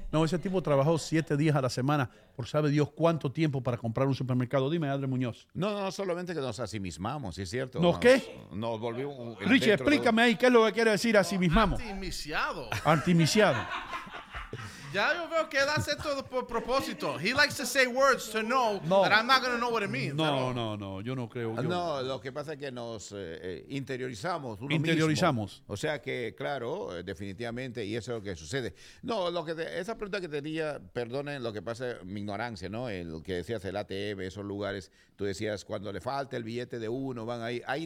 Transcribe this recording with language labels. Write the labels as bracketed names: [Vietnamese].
[Spanish] No, ese tipo trabajó 7 días a la semana por sabe Dios cuánto tiempo para comprar un supermercado. Dime, André Muñoz. No, solamente que nos asimismamos, ¿sí es cierto? ¿Nos qué? Nos volvimos... Richie, explícame ahí qué es lo que quiere decir asimismamos. Antimiciado. Antimiciado. Ya yo veo que él hace todo por propósito. [English] He likes to say words to know that I'm not going to know what it means. [Spanish] No, yo no creo. No, lo que pasa es que nos interiorizamos. Interiorizamos. Mismo. O sea que, claro, definitivamente, y eso es lo que sucede. No, esa pregunta que tenía, perdonen lo que pasa, mi ignorancia, ¿no? En lo que decías, el ATM, esos lugares, tú decías, cuando le falta el billete de uno, van ahí.